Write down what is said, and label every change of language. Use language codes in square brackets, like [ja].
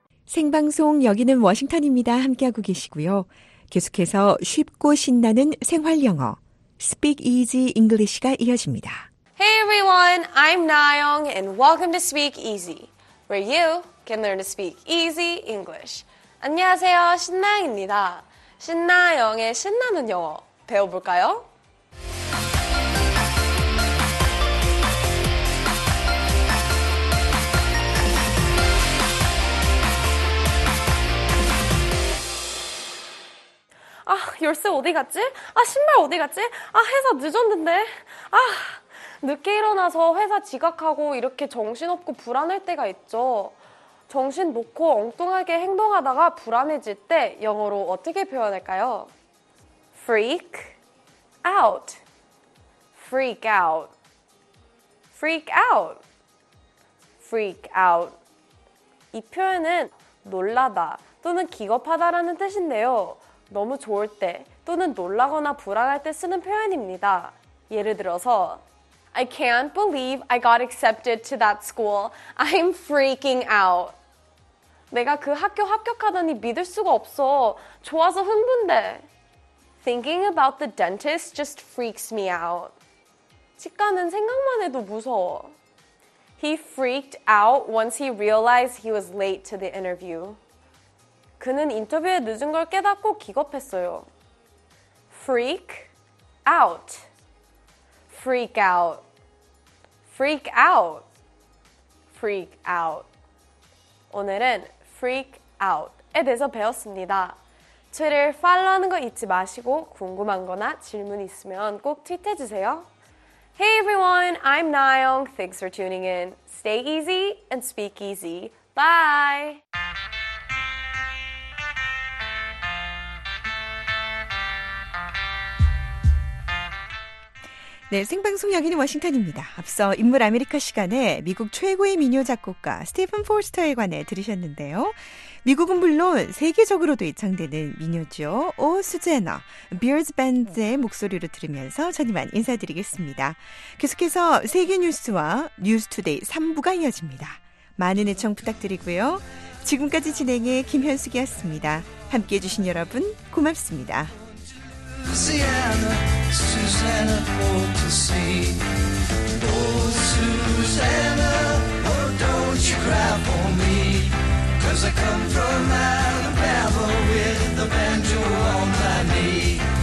[ko] 생방송 여기는 워싱턴입니다. 함께하고 계시고요. 계속해서 쉽고 신나는 생활 영어 Speak Easy English가 이어집니다. [en] Hey everyone, I'm Nayoung and welcome to Speak Easy, where you can learn to speak easy English. [ko] 안녕하세요, 신나영입니다. 신나영의 신나는 영어 배워볼까요? 아, 열쇠 어디 갔지? 아, 신발 어디 갔지? 아, 회사 늦었는데. 아, 늦게 일어나서 회사 지각하고 이렇게 정신없고 불안할 때가 있죠. 정신 놓고 엉뚱하게 행동하다가 불안해질 때 영어로 어떻게 표현할까요? [en] Freak out. Freak out. Freak out. Freak out. [ko] 이 표현은 놀라다 또는 기겁하다라는 뜻인데요. 너무 좋을 때 또는 놀라거나 불안할 때 쓰는 표현입니다. 예를 들어서 [en] I can't believe I got accepted to that school. I'm freaking out. [ko] 내가 그 학교 합격하다니 믿을 수가 없어. 좋아서 흥분돼. [en] Thinking about the dentist just freaks me out. [ko] 치과는 생각만 해도 무서워. [en] He freaked out once he realized he was late to the interview. [ko] 그는 인터뷰에 늦은 걸 깨닫고 기겁했어요. [en] Freak out. Freak out. Freak out. Freak out. [ko] 오늘은 freak out에 대해서 배웠습니다. 트위터 팔로우하는 거 잊지 마시고 궁금한 거나 질문 있으면 꼭 트윗해주세요. [en] Hey everyone, I'm Nayoung. Thanks for tuning in. Stay easy and speak easy. Bye! [ko] 네, 생방송 여기는 워싱턴입니다. 앞서 인물 아메리카 시간에 미국 최고의 민요 작곡가 스티븐 포스터에 관해 들으셨는데요. 미국은 물론 세계적으로도 애창되는 민요죠. 오 수제너, 비어즈 밴드의 목소리로 들으면서 전 이만 인사드리겠습니다. 계속해서 세계 뉴스와 뉴스 투데이 3부가 이어집니다. 많은 애청 부탁드리고요. 지금까지 진행해 김현숙이었습니다. 함께 해주신 여러분 고맙습니다. [en] Louisiana, Susanna for to see. Oh, Susanna, oh, don't you cry for me. 'Cause I come from Alabama with the banjo on my knee.